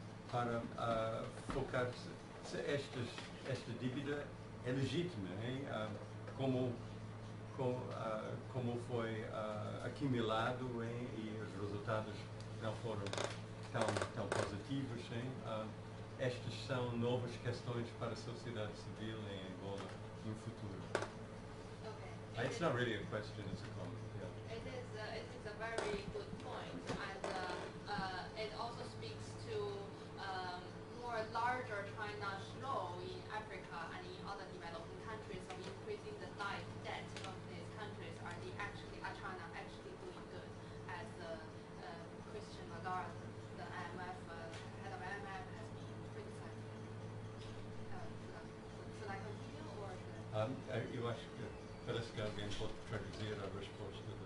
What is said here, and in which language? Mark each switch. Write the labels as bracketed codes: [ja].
[pt] para focar-se se esta dívida é legítima, como foi acumulado e os resultados não foram tão positivos. Estas são novas questões para a sociedade civil em Angola no futuro. [en] Okay. It's not really a question, it's a comment. Yeah. It is a very good point, and it also speaks to more larger transnational in Africa and in other developing countries of increasing the debt of these countries. Are China actually doing good? As Christian Lagarde, the IMF head of IMF, has been criticizing. Should I continue or? [pt] Eu acho que parece que alguém pode traduzir a resposta.